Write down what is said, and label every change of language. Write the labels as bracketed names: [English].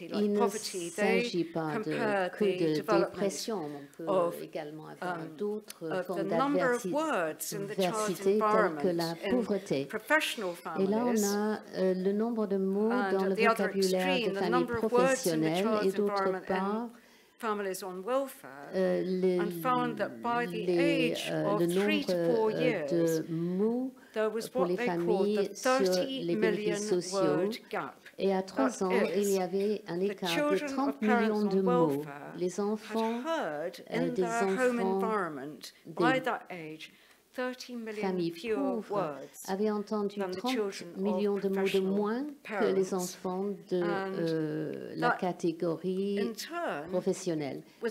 [French] Il ne s'agit pas que de dépression, on peut également avoir d'autres formes d'adversité telles que la pauvreté. Et là, on a le nombre de mots dans le vocabulaire de familles professionnelles et d'autre part, [English] families on welfare and found that by the age of 3 to 4 years, there was what they called the 30 million word gap. [French] Et à 3 ans, il y avait un écart de 30 millions de mots. Les enfants des enfants [English] by that age, 30 million fewer words [French] avaient entendu 30 millions de mots de moins que les enfants de la catégorie professionnelle.